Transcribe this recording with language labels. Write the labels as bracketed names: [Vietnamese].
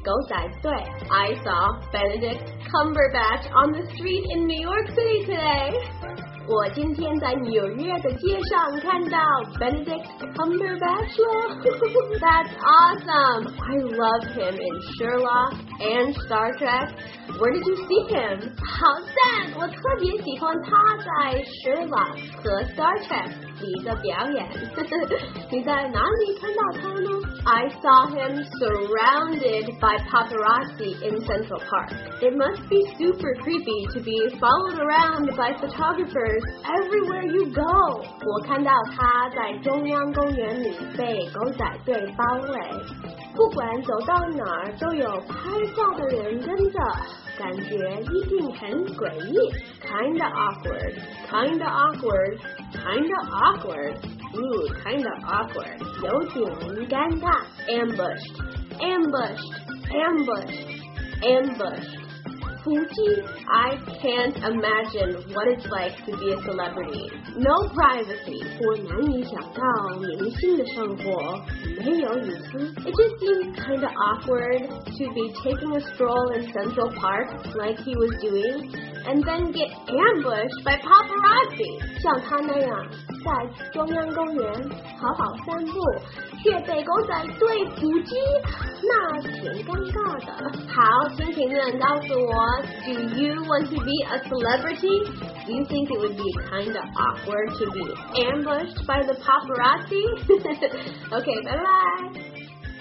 [Chinese] 狗仔队 [English] I saw Benedict Cumberbatch on the street in New York City today. [Chinese] 我今天在纽约的街上看到 Benedict Cumberbatch 了 [English] That's awesome. I love him in Sherlock and Star Trek. Where did you see him? [Chinese] 好赞，我特别喜欢他在 Sherlock 和 Star Trek 里的表演。你在哪里看到他呢？ [English] I saw him surrounded by paparazzi in Central Park. It must be super creepy to be followed around by photographers everywhere you go. [Chinese] 我看到他在中央公园里被狗仔队包围，不管走到哪儿都有拍照的人跟着，感觉一定很诡异。 [English] Kinda awkward, kinda awkward, kinda awkward. Kinda awkward. [Chinese] 有点尴尬 [English] Ambushed, ambushed, ambushed, ambushed. [Chinese] 伏击 [English] I can't imagine what it's like to be a celebrity. No privacy. [Chinese] 我难以想到明星的生活没有隐私 [English] It just seems kinda awkward to be taking a stroll in Central Park like he was doing and then get ambushed by paparazzi. [Chinese] 像他那样在中央公园好好散步却被狗仔队伏击那挺尴尬的好请评论告诉我 [English] Do you want to be a celebrity? Do you think it would be kind of awkward to be ambushed by the paparazzi? OK, bye bye